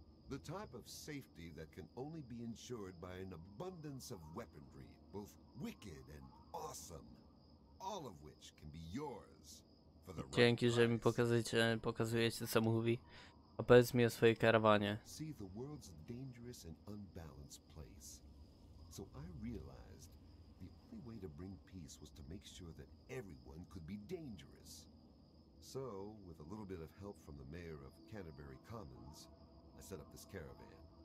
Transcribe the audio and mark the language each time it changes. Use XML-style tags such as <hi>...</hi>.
<en>The type of safety that can only be ensured by an abundance of weaponry, both wicked and awesome, all of which can be yours for the right price.</en> <pl>Dzięki, że mi pokazujecie, co mówi. Opowiedz mi o swojej karawanie.</pl> <en>See, the world's a dangerous and unbalanced place. So I realized the only way to bring peace was to make sure that everyone could be dangerous. So, with a little bit of help from the mayor of Canterbury Commons, I set up this caravan.</en>